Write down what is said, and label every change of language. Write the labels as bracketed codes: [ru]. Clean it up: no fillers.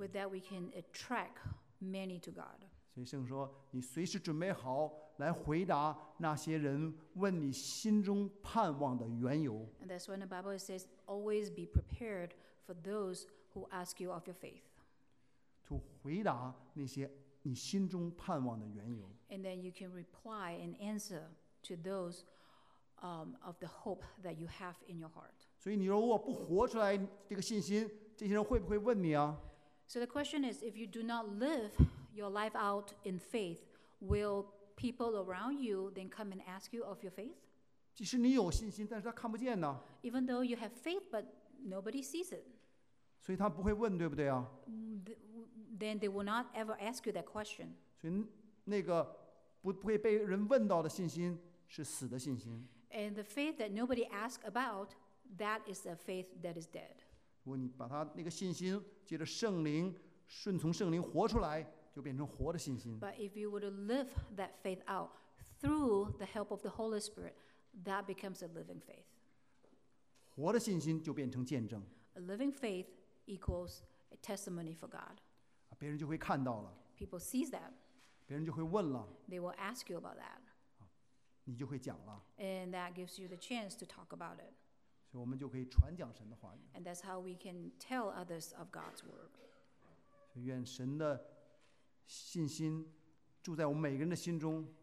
[en] With that, we can attract many to God. [zh] 所以圣说，你随时准备好来回答那些人问你心中盼望的缘由。 [en] And that's when the Bible says, always be prepared for those who ask you of your faith. To [zh] 回答那些你心中盼望的缘由。 [en] And then you can reply and answer to those of the hope that you have in your heart. [zh] 所以你如果不活出来这个信心，这些人会不会问你啊？ [en] So the question is, if you do not live your life out in faith, will people around you then come and ask you of your faith? [zh] 即使你有信心，但是他看不见呢。 [en] Even though you have faith, but nobody sees it. [zh] 所以他不会问，对不对啊？ [en] Then they will not ever ask you that question. [zh] 所以那个不会被人问到的信心是死的信心。 [en] And the faith that nobody asks about, that is a faith that is dead. [zh] 如果你把他那个信心借着圣灵顺从圣灵活出来，就变成活的信心。 [en] But if you were to live that faith out through the help of the Holy Spirit, that becomes a living faith. [zh] 活的信心就变成见证。 [en] A living faith equals a testimony for God. [zh] 别人就会看到了。 [en] People see that. [zh] 别人就会问了。 [en] They will ask you about that. [zh] 你就会讲了。 [en] And that gives you the chance to talk about it. [zh] 所以我们就可以传讲神的话语。 [en] And that's how we can tell others of God's word. [zh] 愿神的信心住在我们每个人的心中。